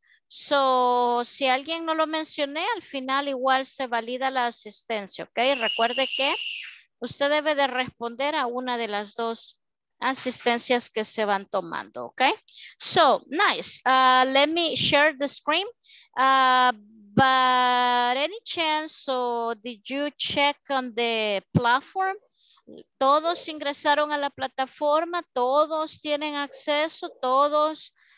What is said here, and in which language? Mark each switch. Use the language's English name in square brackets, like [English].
[Spanish] So, si alguien no lo mencioné, al final igual se valida la asistencia, ¿ok? Recuerde que usted debe de responder a una de las dos asistencias que se van tomando, ¿ok? [English] So, nice. Let me share the screen. But any chance, so did you check on the platform? [Spanish] Todos ingresaron a la plataforma, todos tienen acceso, todos...